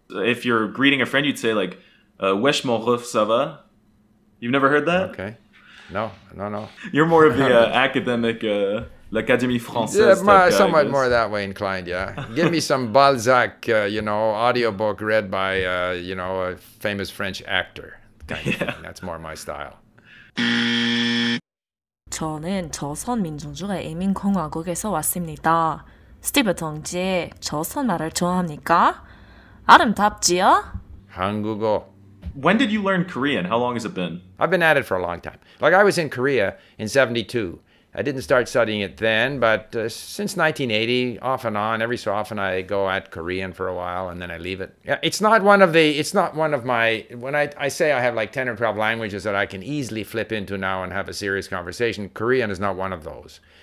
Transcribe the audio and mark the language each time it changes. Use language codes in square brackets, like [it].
[en] If you're greeting a friend, you'd say like, [fr] wesh mon ref, ça va? [en] You've never heard that? Okay. No. You're more of the academic, l'Académie Française. Yeah, somewhat guy, more that way inclined, yeah. Give me some Balzac, audiobook read by, a famous French actor. Yeah. That's more my style. [ko] 저는 조선민주주의 인민공화국에서 왔습니다. 스티브 동지, 조선 말을 좋아합니까? 아름답지요? 한국어. [en] When did you learn Korean? How long has it been? I've been at it for a long time. Like, I was in Korea in 72. I didn't start studying it then, but since 1980, off and on, every so often I go at Korean for a while and then I leave it. Yeah, it's not one of my, when I say I have like 10 or 12 languages that I can easily flip into now and have a serious conversation, Korean is not one of those.